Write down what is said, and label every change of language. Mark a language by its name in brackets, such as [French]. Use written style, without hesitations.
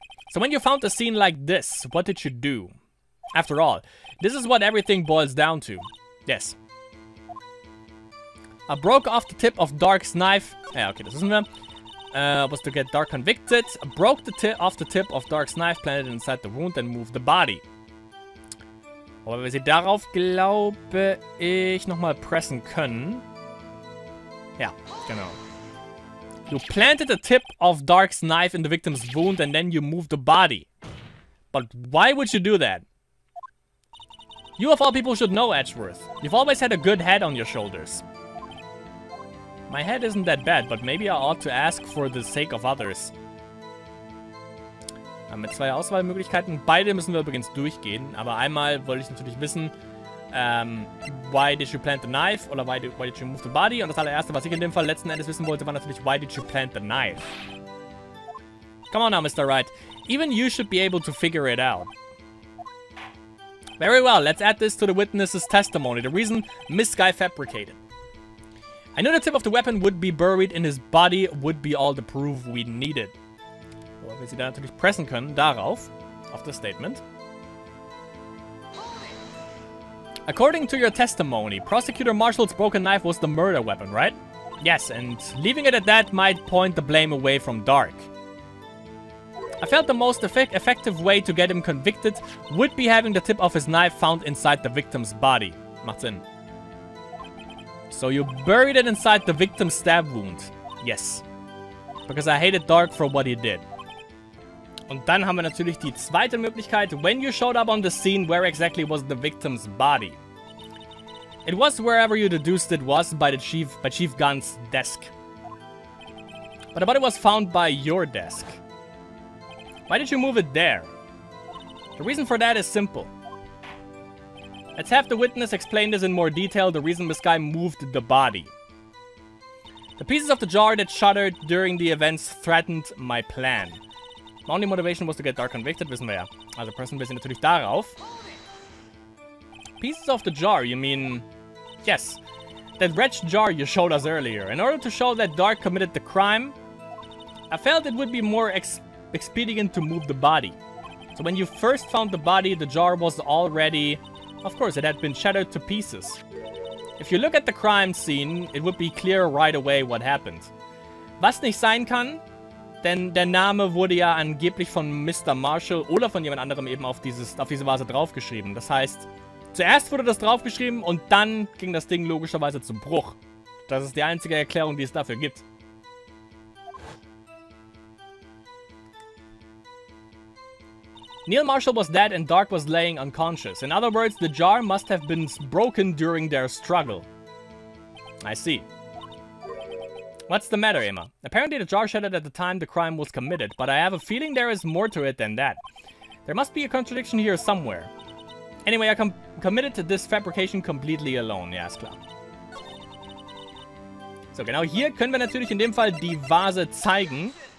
[English] So when you found a scene like this, what did you do? After all, this is what everything boils down to. Yes. I broke off the tip of Dark's knife. Yeah, okay, this isn't them. was to get Dark convicted, broke the tip off the tip of Dark's knife, planted it inside the wound and moved the body. [German] Aber wenn wir sie darauf, glaube ich, nochmal pressen können. Ja, genau. [English] You planted the tip of Dark's knife in the victim's wound and then you moved the body. But why would you do that? You of all people should know, Edgeworth. You've always had a good head on your shoulders. My head isn't that bad, but maybe I ought to ask for the sake of others. [German] Wir haben zwei Auswahlmöglichkeiten. Beide müssen wir übrigens durchgehen. Aber einmal wollte ich natürlich wissen, [English] why did you plant the knife? Oder why did you move the body? [German] Und das allererste, was ich in dem Fall letzten Endes wissen wollte, war natürlich, [English] why did you plant the knife? Come on now, Mr. Wright. Even you should be able to figure it out. Very well, let's add this to the witness's testimony. The reason Miss Guy fabricated. I knew the tip of the weapon would be buried in his body would be all the proof we needed. [German] Wo wir sie dann natürlich pressen können, darauf, auf das Statement. [English] According to your testimony, Prosecutor Marshall's broken knife was the murder weapon, right? Yes, and leaving it at that might point the blame away from Dark. I felt the most effective way to get him convicted would be having the tip of his knife found inside the victim's body. [German] Macht Sinn. [English] So you buried it inside the victim's stab wound. Yes. Because I hated Dark for what he did. [German] Und dann haben wir natürlich die zweite Möglichkeit. [English] When you showed up on the scene, where exactly was the victim's body? It was wherever you deduced it was by Chief Gunn's desk. But the body was found by your desk. Why did you move it there? The reason for that is simple. Let's have the witness explain this in more detail, the reason this guy moved the body. The pieces of the jar that shattered during the events threatened my plan. My only motivation was to get Dark convicted, [German] wissen wir ja. Also pressen wir sie natürlich darauf. [English] Pieces of the jar, you mean... Yes. That wretched jar you showed us earlier. In order to show that Dark committed the crime, I felt it would be more expedient to move the body. So when you first found the body, the jar was already... Of course, it had been shattered to pieces. If you look at the crime scene, it would be clear right away what happened. [German] Was nicht sein kann, denn der Name wurde ja angeblich von Mr. Marshall oder von jemand anderem eben auf diese Vase draufgeschrieben. Das heißt, zuerst wurde das draufgeschrieben und dann ging das Ding logischerweise zum Bruch. Das ist die einzige Erklärung, die es dafür gibt. [English] Neil Marshall was dead and Dark was laying unconscious. In other words, the jar must have been broken during their struggle. I see. What's the matter, Emma? Apparently the jar shattered at the time the crime was committed, but I have a feeling there is more to it than that. There must be a contradiction here somewhere. Anyway, I committed to this fabrication completely alone, yes, klar. [German] So, genau hier können wir natürlich in dem Fall die Vase zeigen.